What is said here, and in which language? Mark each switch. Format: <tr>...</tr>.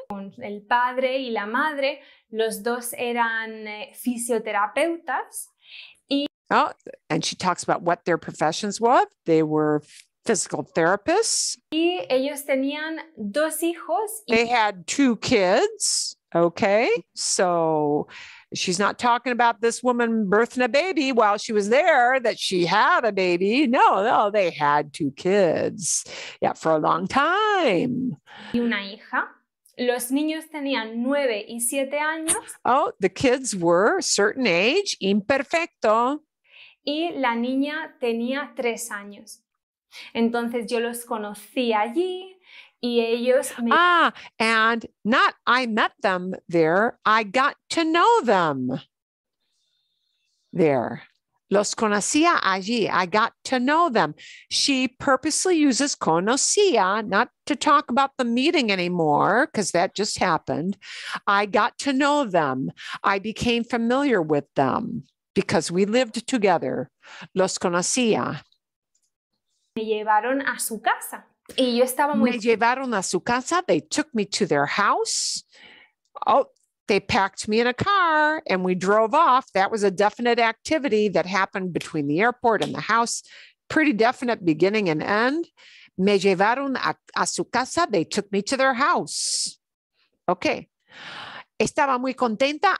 <es>Con el padre y la madre, los dos eran fisioterapeutas.</es> <en>Oh, and she talks about what their professions were. They were physical therapists.</en> <es>Y ellos tenían dos hijos.</es> <en>They had two kids. Okay. So she's not talking about this woman birthing a baby while she was there, that she had a baby. No, they had two kids. Yeah, for a long time.</en> <es>Y una hija. Los niños tenían 9 y 7 años.</es> <en>Oh, the kids were a certain age. Imperfecto.</en> <es>Y la niña tenía 3 años. Entonces yo los conocí allí y ellos me...</es> <en>And not I met them there, I got to know them there.</en> <es>Los conocía allí,</es> <en>I got to know them. She purposely uses conocía not to talk about the meeting anymore because that just happened. I got to know them. I became familiar with them because we lived together.</en> <es>Los conocía. Me llevaron a su casa y yo estaba muy... Me llevaron a su casa.</es> <en>They took me to their house. Oh, they packed me in a car and we drove off. That was a definite activity that happened between the airport and the house. Pretty definite beginning and end.</en> <es>Me llevaron a su casa.</es> <en>They took me to their house. Okay.</en> <es>Estaba muy contenta.</es>